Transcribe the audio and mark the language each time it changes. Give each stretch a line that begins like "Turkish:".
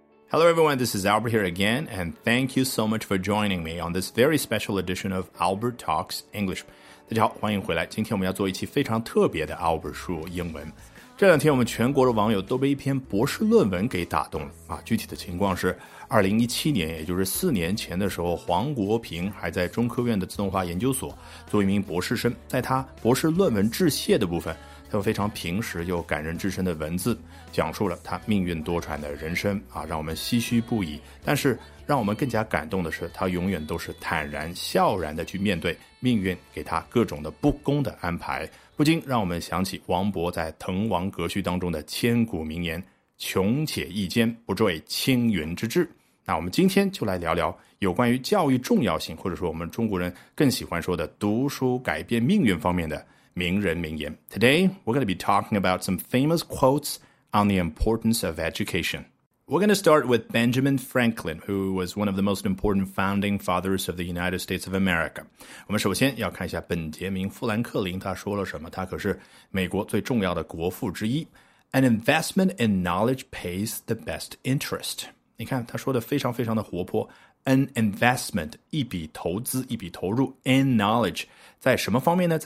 English: Hello everyone, this is Albert here again, and thank you so much for joining me on this very special edition of Albert Talks English.
Chinese: 大家好，欢迎回来。今天我们要做一期非常特别的 Albert 说英文。这两天我们全国的网友都被一篇博士论文给打动了啊！具体的情况是2017年，也就是四年前的时候，黄国平还在中科院的自动化研究所做一名博士生，在他博士论文致谢的部分，他用非常平实又感人至深的文字讲述了他命运多舛的人生啊，让我们唏嘘不已。但是让我们更加感动的是，他永远都是坦然笑然的去面对命运给他各种的不公的安排，不禁让我们想起王勃在《滕王阁序》当中的千古名言：“穷且益坚，不坠青云之志。” 那我们今天就来聊聊有关于教育重要性，或者说我们中国人更喜欢说的读书改变命运方面的名人名言。
English: Today, we're going to be talking about some famous quotes on the importance of education. We're going to start with Benjamin Franklin, who was one of the most important founding fathers of the United States of America.
Chinese: 我们首先要看一下本杰明·富兰克林他说了什么，他可是美国最重要的国父之一。
English: An investment in knowledge pays the best interest.
Chinese: 你看他说的非常非常的活泼。
English: An investment,
Chinese: 一笔投资，一笔投入
English: in knowledge,
Chinese: 在什么方面呢？